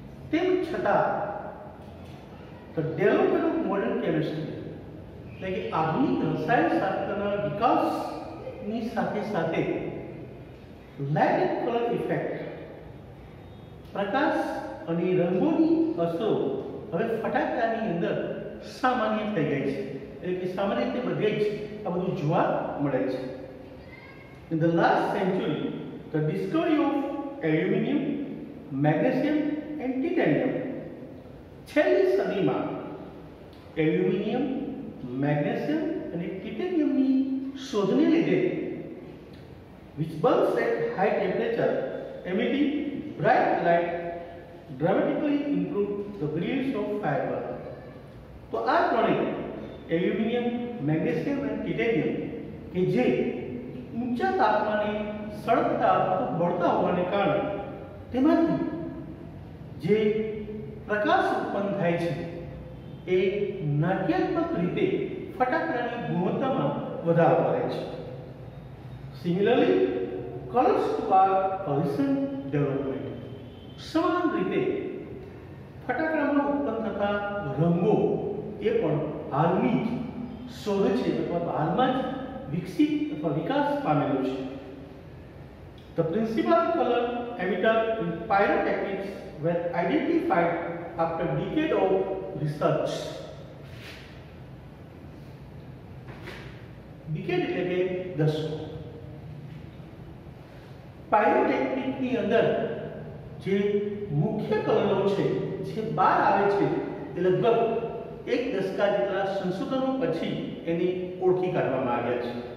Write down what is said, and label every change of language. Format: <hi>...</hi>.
<gu>તેમ છતાં</gu> <en>the development of modern chemistry</en> <gu>એટલે કે આધુનિક રસાયણશાસ્ત્રના વિકાસની સાથે સાથે</gu> <en>light and colour effect</en> <gu>પ્રકાશ અને રંગોની અસરો હવે ફટાકડાની અંદર સામાન્ય થઈ ગઈ છે, એટલે કે સામાન્ય રીતે બધે જ આ બધું જોવા મળે છે.</gu> <en>In the last century the discovery of aluminium, magnesium and titanium.</en> <gu>છેલ્લી સદીમાં એલ્યુમિનિયમ, મેગ્નેશિયમ અને ટિટેનિયમની શોધને લીધે</gu> <en>which bulbs at high temperature emitting bright light dramatically improved the brilliance of firework.</en> <gu>તો આ ત્રણે એલ્યુમિનિયમ, મેગ્નેશિયમ અને ટિટેનિયમ કે જે ઊંચા તાપમાને સળગતા બળતા હોવાને કારણે તેમાંથી જે પ્રકાશ ઉત્પન્ન થાય છે એ નાટ્યાત્મક રીતે ફટાકડાની ગુણવત્તામાં વધારો કરે છે.</gu> <en>Similarly, colors to our recent development.</en> <gu>સમાન રીતે ફટાકડામાં ઉત્પન્ન થતા રંગો એ પણ હાલની જ શોધ છે અથવા હાલમાં જ વિકસિત અથવા વિકાસ પામેલો છે.</gu> <en>The principal color emitter in pyrotechnics were identified after decade of research.</en> <gu>Decade એટલે કે દશકો. પાયરોટેકનિકની અંદર જે મુખ્ય કલરો છે જે બહાર આવે છે એ લગભગ 1 દશકા જેટલા સંશોધનો પછી એની ઓળખી કાઢવામાં આવ્યા છે.</gu>